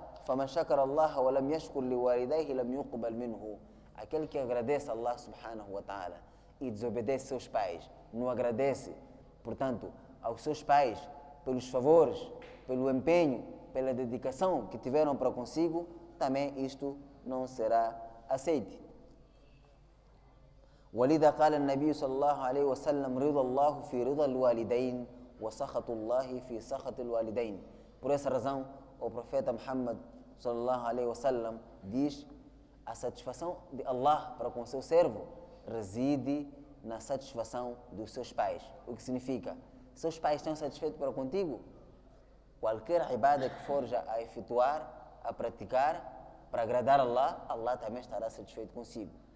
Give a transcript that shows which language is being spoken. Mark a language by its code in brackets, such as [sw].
[ar] فمن شكر الله ولم يشكر لوالديه لم يقبل منه [pt] aquele que agradece a Allah subhanahu wa ta'ala e desobedece seus pais, não agradece, portanto, aos seus pais pelos favores, pelo empenho, pela dedicação que tiveram para consigo, também isto não será aceite. [ar] ولذا قال النبي صلى الله عليه وسلم رضا الله في رضا الوالدين وسخط الله في سخط الوالدين. [pt] Por essa razão, o profeta Muhammad [ar] صلى الله عليه وسلم [pt] diz: a satisfação de Allah para com o seu servo reside na satisfação dos seus pais. O que significa? Seus pais estão satisfeitos para contigo? Qualquer ibada que for já a efetuar, a praticar, para agradar Allah, Allah também estará satisfeito consigo.